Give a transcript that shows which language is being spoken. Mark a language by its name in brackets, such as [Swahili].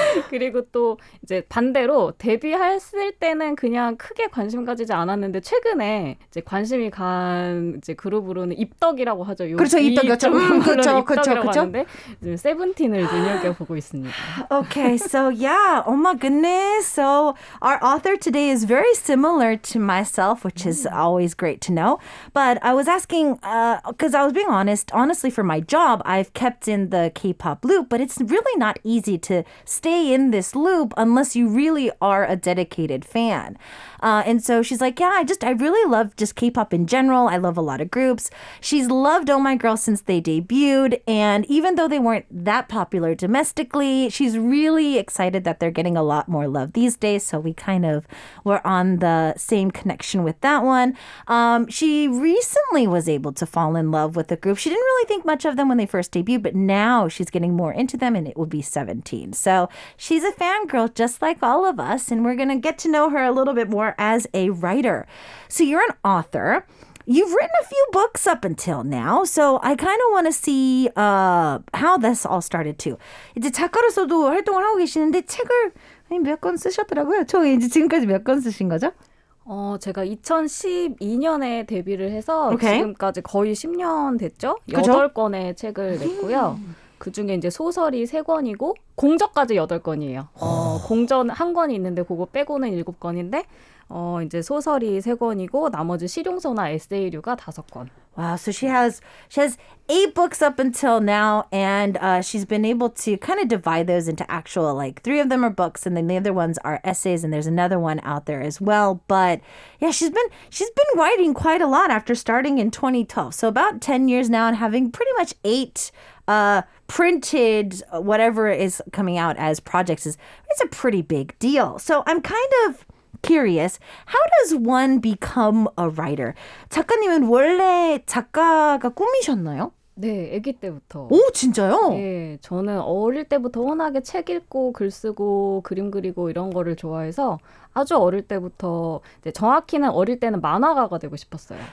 [Korean] 그리고 또 이제 반대로 데뷔했을 때는 그냥 크게 관심 가지지 않았는데 최근에 이제 관심이 간 이제 그룹으로는 입덕이라고 하죠. 그렇죠. 입덕이었죠. 그렇죠. 이제 세븐틴을 눈여겨 보고 있습니다. [English] Okay. So yeah. Oh my goodness. So our author today is very similar to myself, which is always great to know. But I was asking because I was being honest, honestly for my job, I've kept in the K-pop loop, but it's really not easy to stay in this loop unless you really are a dedicated fan. And so she's like, yeah, I really love just K-pop in general. I love a lot of groups. She's loved Oh My Girl since they debuted. And even though they weren't that popular domestically, she's really excited that they're getting a lot more love these days. So we kind of were on the same connection with that one. She recently was able to fall in love with the group. She didn't really think much of them when they first debuted, but now she's getting more into them and it will be 17. So she's a fangirl just like all of us. And we're going to get to know her a little bit more as a writer. So you're an author. You've written a few books up until now. So I kind of want to see how this all started too. [Korean] 이제 작가로서도 활동을 하고 계시는데 책을 몇 권 쓰셨더라고요. 총 이제 지금까지 몇 권 쓰신 거죠? 제가 2012년에 데뷔를 해서 okay. 지금까지 거의 10년 됐죠? 8 권의 책을 냈고요. 그중에 이제 소설이 3권이고 공저까지 8권이에요. 공전 한 권이 있는데 그거 빼고는 7권인데 이제 소설이 3권이고 나머지 실용서나 에세이류가 5권. [English] Wow, so she has 8 books up until now, and she's been able to kind of divide those into actual, like, 3 of them are books, and then the other ones are essays, and there's another one out there as well. But, yeah, she's been writing quite a lot after starting in 2012. So about 10 years now, and having pretty much 8 printed whatever is coming out as projects is a pretty big deal. So I'm kind of curious, how does one become a writer? [Korean] 작가님은 원래 작가가 꿈이셨나요? 네, 아기 때부터. 오, 진짜요? 네, 저는 어릴 때부터 워낙에 책 읽고 글 쓰고 그림 그리고 이런 거를 좋아해서 아주 어릴 때부터, 이제 정확히는 어릴 때는 만화가가 되고 싶었어요.